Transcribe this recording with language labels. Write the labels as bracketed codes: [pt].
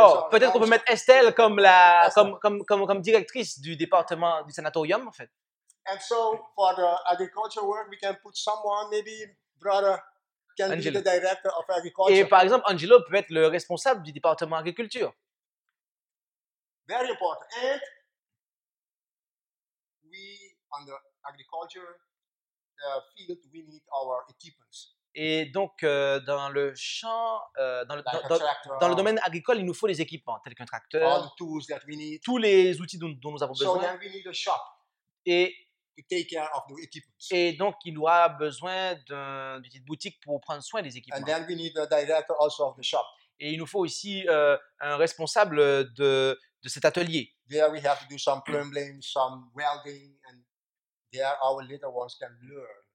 [fr] Peut-être qu'on peut mettre Estelle comme la directrice du département du sanatorium en fait. [en] And so for the agriculture work, we can put someone, maybe brother can Angelo. Be the director of agriculture. [fr] Et par exemple, Angelo peut être le responsable du département agriculture. [en] Very important. And we on the agriculture field, we need our equipments. [fr] Et donc, dans le champ, dans le domaine agricole, il nous faut les équipements, tels qu'un tracteur, [en] all the tools that we need. [fr] Tous les outils dont nous avons besoin. [en] So then we need a shop to take care of the equipment. [fr] Et donc, il nous aura besoin d'une petite boutique pour prendre soin des équipements. [en] And then we need a director also of the shop. [fr] Et il nous faut aussi un responsable de cet atelier. [en] There we have to do some plumbing, some welding, and there our little ones can learn.